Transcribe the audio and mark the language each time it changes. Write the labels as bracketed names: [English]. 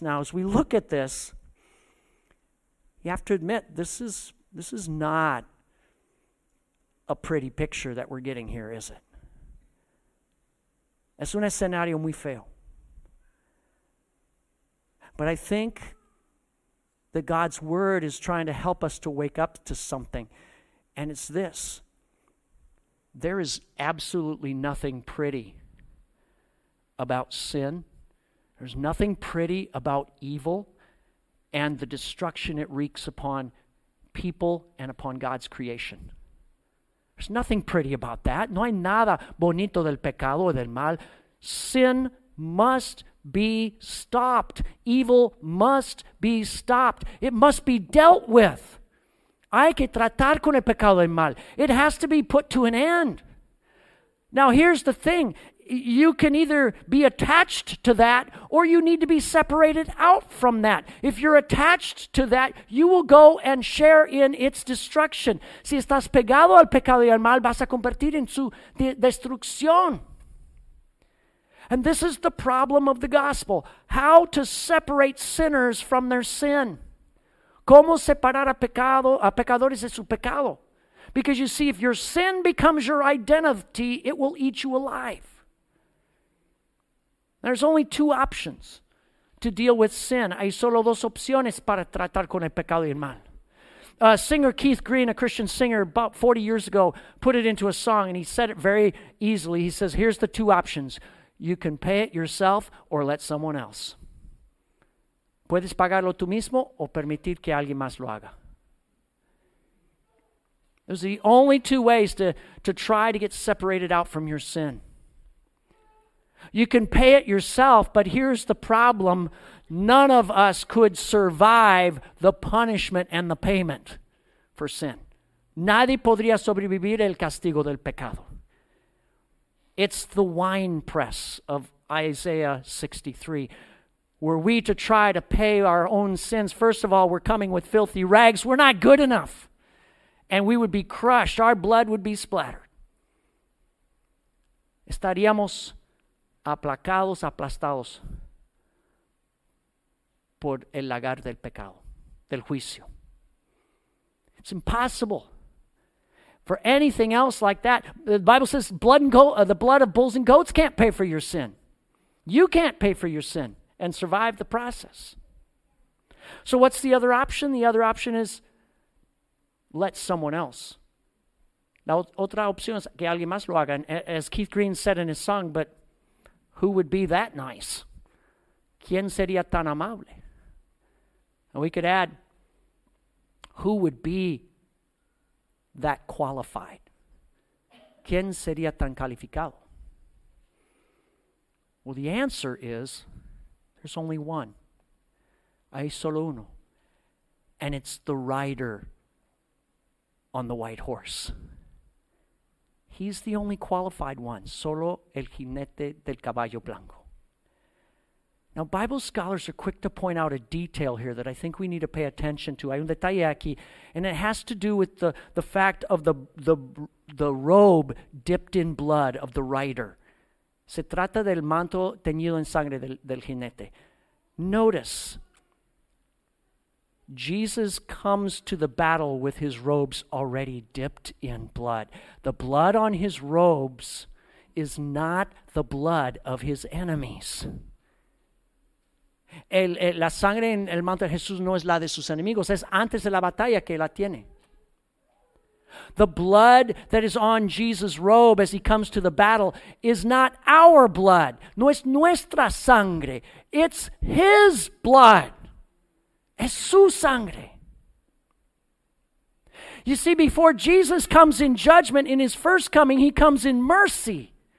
[English] Now, as we look at this, you have to admit, this is not a pretty picture that we're getting here, is it? [Spanish] Es un escenario muy feo. [English] But I think that God's word is trying to help us to wake up to something. And it's this. There is absolutely nothing pretty about sin. There's nothing pretty about evil and the destruction it wreaks upon people and upon God's creation. There's nothing pretty about that. [Spanish] No hay nada bonito del pecado o del mal. [English] Sin must be stopped. Evil must be stopped. It must be dealt with. [Spanish] Hay que tratar con el pecado del mal. [English] It has to be put to an end. Now, here's the thing. You can either be attached to that or you need to be separated out from that. If you're attached to that, you will go and share in its destruction. [Spanish] Si estás pegado al pecado y al mal, vas a compartir en su destrucción. [English] And this is the problem of the gospel. How to separate sinners from their sin. [Spanish] ¿Cómo separar a pecadores de su pecado? [English] Because you see, if your sin becomes your identity, it will eat you alive. There's only two options to deal with sin. [Spanish] Hay solo dos opciones para tratar con el pecado y el mal. [English] Singer Keith Green, a Christian singer, about 40 years ago, put it into a song, and he said it very easily. He says, here's the two options. You can pay it yourself or let someone else. [Spanish] Puedes pagarlo tú mismo o permitir que alguien más lo haga. [English] Those are the only two ways to try to get separated out from your sin. You can pay it yourself, but here's the problem. None of us could survive the punishment and the payment for sin. [Spanish] Nadie podría sobrevivir el castigo del pecado. [English] It's the wine press of Isaiah 63. Were we to try to pay our own sins, first of all, we're coming with filthy rags. We're not good enough. And we would be crushed. Our blood would be splattered. [Spanish] Estaríamos aplacados, aplastados por el lagar del pecado, del juicio. [English] It's impossible for anything else like that. The Bible says blood and goat, the blood of bulls and goats can't pay for your sin. You can't pay for your sin and survive the process. So what's the other option? The other option is let someone else. [Spanish] La otra opción es que alguien más lo haga. [English] As Keith Green said in his song, but who would be that nice? [Spanish] ¿Quién sería tan amable? [English] And we could add, who would be that qualified? [Spanish] ¿Quién sería tan calificado? [English] Well, the answer is, there's only one. [Spanish] Hay solo uno. [English] And it's the rider on the white horse. He's the only qualified one. [Spanish] Solo el jinete del caballo blanco. [English] Now, Bible scholars are quick to point out a detail here that I think we need to pay attention to. [Spanish] Hay un detalle aquí, [English] and it has to do with the fact of the robe dipped in blood of the rider. [Spanish] Se trata del manto teñido en sangre del jinete. [English] Notice, Jesus comes to the battle with his robes already dipped in blood. The blood on his robes is not the blood of his enemies. [Spanish] La sangre en el manto de Jesús no es la de sus enemigos. Es antes de la batalla que la tiene. [English] The blood that is on Jesus' robe as he comes to the battle is not our blood. [Spanish] No es nuestra sangre. [English] It's his blood. [Spanish] Es su sangre. [English] You see, before Jesus comes in judgment, in his first coming, he comes in mercy.